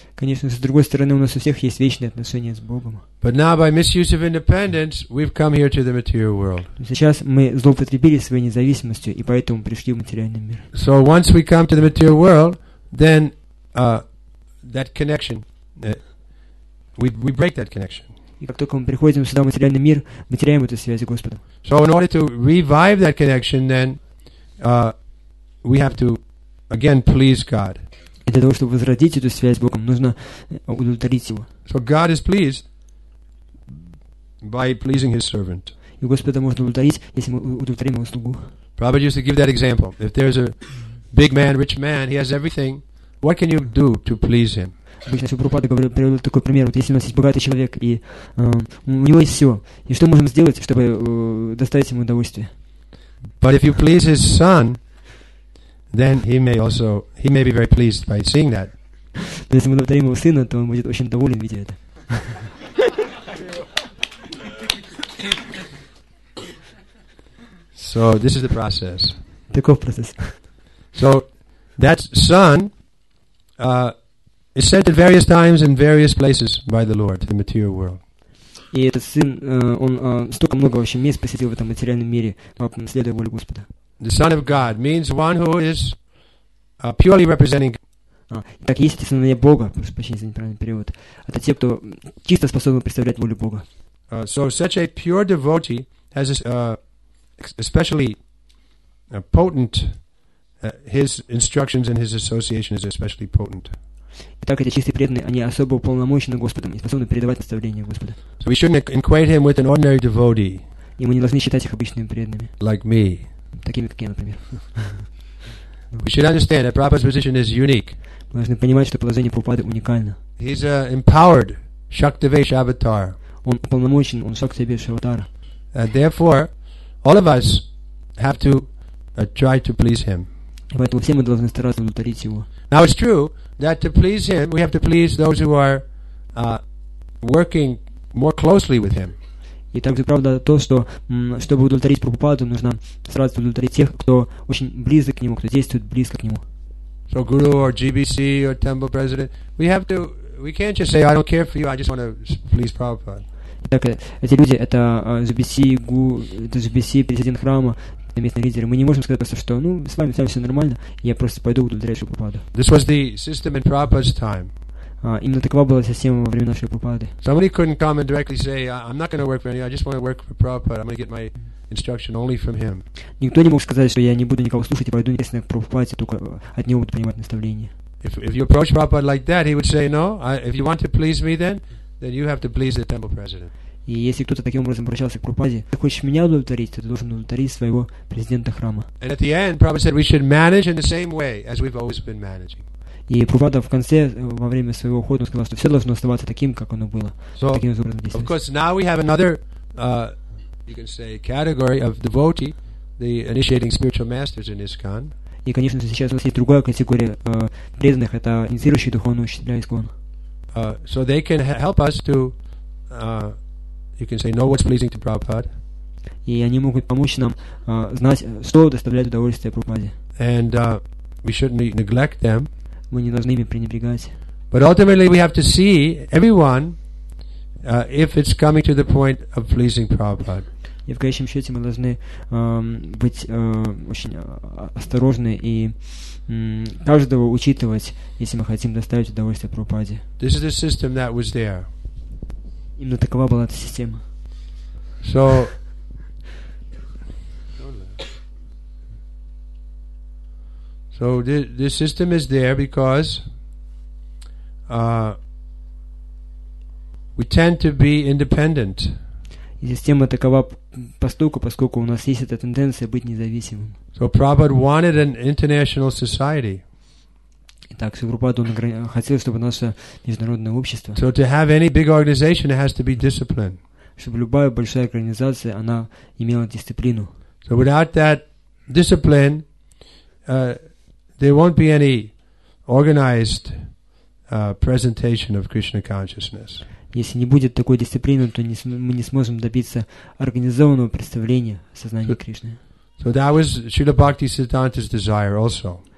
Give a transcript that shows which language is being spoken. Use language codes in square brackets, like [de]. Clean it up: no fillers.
[ru] Конечно, с другой стороны, у нас у всех есть вечные отношения с Богом. [en] But now, by misuse of independence, we've come here to the material world. [ru] Сейчас мы злоупотребили своей независимостью и поэтому пришли в материальный мир. [en] So once we come to the material world, then that connection, we break that connection. [ru] И как только мы приходим сюда в материальный мир, мы теряем эту связь с Господом. [en] So in order to revive that connection, then we have to again, please God. [ru] И для того, чтобы возродить эту связь с Богом, нужно удовлетворить Его. [en] So God is pleased by pleasing His servant. [ru] И Господа можно удовлетворить, если мы удовлетворим Его слугу. [en] Prabhupada used to give that example. If there's a big man, rich man, he has everything, what can you do to please him? [ru] Обычно Прабхупада приводил такой пример. Вот если у нас есть богатый человек, и у него есть все, и что можем сделать, чтобы доставить ему удовольствие? [en] But if you please his son, then he may be very pleased by seeing that. [ru] Но если мы удовлетворим его сына, то он будет очень доволен, видя это. [en] So this is the process. [ru] Таков процесс. [en] So that son is sent at various times in various places by the Lord to the material world. [ru] И этот сын, он столько много вообще мест посетил в этом материальном мире, следуя воле Господа. [en] The son of God means one who is purely representing. [ru] Так есть сыновья Бога, прощение за неправильный перевод. Это те, кто чисто способны представлять волю Бога. [en] So such a pure devotee has especially potent. His instructions and his association is especially potent. [ru] Итак, эти чистые преданные, они особо уполномочены Господом и способны передавать наставления Господа. [en] So we shouldn't equate him with an ordinary devotee. [ru] И мы не должны считать их обычными преданными. [en] Like me. [ru] Такими, как я, например. [en] We should understand that Prabhupada's position is unique. [ru] Мы должны понимать, что положение Прабхупады уникально. [en] He's an empowered Shaktivesh avatar. [ru] Он уполномочен, он Шактивеш аватар. [en] Therefore, all of us have to try to please him. [ru] И поэтому все мы должны стараться удовлетворить его. [en] Now it's true that to please him, we have to please those who are working more closely with him. [ru] И также правда то, что чтобы удовлетворить Прабхупаду, нужно стараться удовлетворить тех, кто очень близок к нему, кто действует близко к нему. [en] So guru or GBC or temple president, we can't just say I don't care for you, I just want to please Prabhupada. [ru] Итак, эти люди, это GBC, это GBC, президент храма, местные лидеры. Мы не можем сказать просто, что с вами все нормально, я просто пойду удовлетворять Прабхупаду. [en] This was the system in Prabhupada's time. [ru] Именно такова была система во время нашей Прабхупады. [en] Somebody couldn't come and directly say, I'm not going to work for anybody, I just want to work for Prabhupada, I'm going to get my instruction only from him. [ru] Никто не мог сказать, что я не буду никого слушать и пойду непосредственно к Прабхупаде, только от него буду принимать наставления. [en] If you approach Prabhupada like that, he would say, no, if you want to please me then you have to please the temple president. [ru] И если кто-то таким образом обращался к Прабхупаде, ты хочешь меня удовлетворить, ты должен удовлетворить своего президента храма. [en] And at the end, Prabhupada said, we should manage in the same way as we've always been managing. [ru] И Прабхупада в конце, во время своего ухода, он сказал, что все должно оставаться таким, как оно было. [en] So, [ru] таким образом действовать. [en] Of course, now we have another, you can say, category of devotee, the initiating spiritual masters in ISKCON. [ru] И, конечно, сейчас у нас есть другая категория преданных, это инициирующие духовные учителя ISKCON. [en] So they can help us to, you can say, know what's pleasing to Prabhupada. [ru] И они могут помочь нам знать, что доставляет удовольствие Прабхупаде. [en] And we shouldn't neglect them. [ru] Мы не должны ими пренебрегать. [en] But ultimately we have to see everyone if it's coming to the point of pleasing Prabhupada. [ru] И в конечном счете мы должны быть очень осторожны и каждого учитывать, если мы хотим доставить удовольствие Прабхупаде. [en] This is the system that was there. [ru] Именно такова была эта система. [en] So, so this system is there because we tend to be independent. [ru] И система такова постольку, поскольку у нас есть эта тенденция быть независимым. [en] So Prabhupada wanted an international society. [ru] Итак, Прабхупада он хотел, чтобы наше международное общество. [en] So to have any big organization, it has to be disciplined. [ru] Чтобы любая большая организация, она имела дисциплину. [en] So without that discipline, there won't be any organized presentation of Krishna consciousness. [ru] Если не будет такой дисциплины, то мы не сможем добиться организованного представления сознания Кришны. [en] So that was Srila Bhakti Siddhanta's desire also.